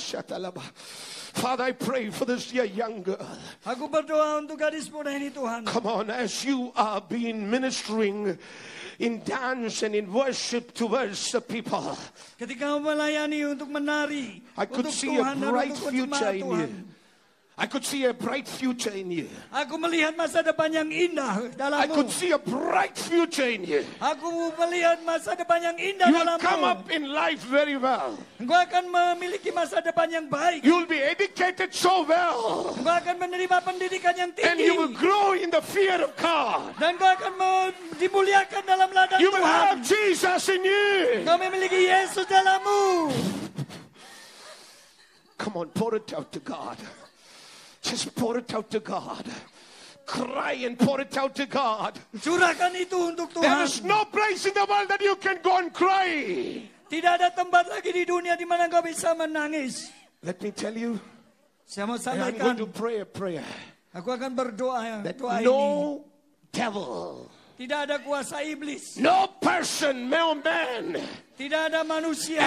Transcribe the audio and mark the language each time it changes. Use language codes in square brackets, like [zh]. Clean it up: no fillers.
[en] Father, I pray for this dear young girl. [id] Aku berdoa untuk gadis muda ini, Tuhan. [en] Come on, as you are being ministering in dance and in worship towards the people. [id] Ketika melayani untuk menari, [en] I could see [id] Tuhan [en] a bright future in you. I could see a bright future in you. [id] Aku melihat masa depan yang indah dalammu. [en] I could see a bright future in you. [id] Aku melihat masa depan yang indah [en] you [id] dalammu. [en] You'll come up in life very well. [id] Engkau akan memiliki masa depan yang baik. [en] You'll be educated so well. [id] Engkau akan menerima pendidikan yang tinggi. [en] And you will grow in the fear of God. [id] Dan engkau akan dimuliakan dalam ladang Tuhan. [en] You will have Jesus in you. [id] Engkau memiliki Yesus dalammu. [en] Come on, pour it out to God. Just pour it out to God. Cry and pour it out to God. [id] Curahkan itu untuk Tuhan. [en] There is no place in the world that you can go and cry. [id] Tidak ada tempat lagi di dunia di mana kau bisa menangis. [en] Let me tell you. [id] Saya mau sampaikan. [en] I'm going to pray a prayer. [id] Aku akan berdoa yang [en] that [id] doa ini. [en] No devil. [id] Tidak ada kuasa iblis. [en] No person, no man. [id] Tidak ada manusia.